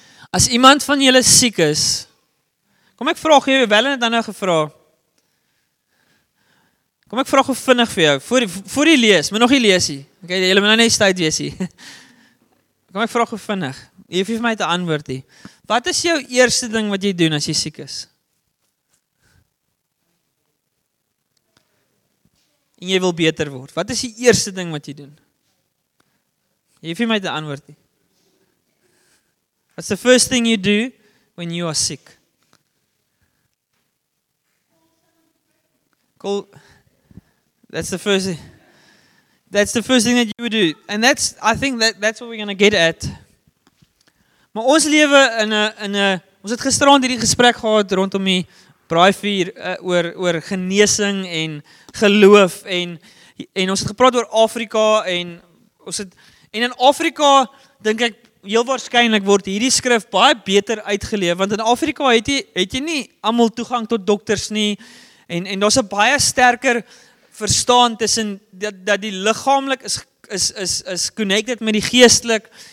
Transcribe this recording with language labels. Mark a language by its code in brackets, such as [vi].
[af] As iemand van julle siek is, kom ek vraag jou, wel het dan nou gevra, kom ek vraag hoe vinnig vir jou, voor die lees, moet nog nie lees jy, okay, jy moet nou nie stout wees jy, kom ek vraag hoe vinnig, jy hoef jy vir my te antwoord jy, wat is jou eerste ding wat jy doen as jy siek is? en jy wil beter word, wat is die eerste ding wat jy doen? Jy hoef nie my te antwoord nie. [en] What's the first thing you do when you are sick? Cool. That's the first thing that you would do. And that's, I think that's what we're going to get at. [af] Maar ons lewe in 'n ons het gisteraand hierdie gesprek gehad rondom die braaivuur oor genesing en geloof en ons het gepraat oor Afrika en ons het en in Afrika dink ek heel waarskynlik word hierdie skrif baie beter uitgeleef want in Afrika het jy nie almal toegang tot dokters nie en daar's 'n baie sterker verstaan tussen dat die liggaamlik is connected met die geestelik.